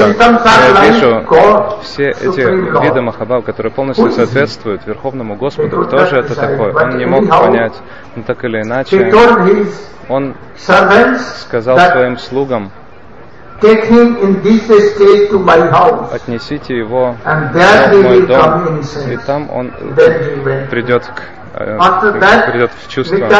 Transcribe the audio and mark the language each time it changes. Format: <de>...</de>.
<ru>Я вижу все эти виды Махабхавы, которые полностью соответствуют Верховному Господу. Кто же это такой? Он не мог понять, но так или иначе, он сказал своим слугам:</ru> <en>take him in this state to my house.</en> <ru>Отнесите его в мой дом, и там он придет в чувство.</ru>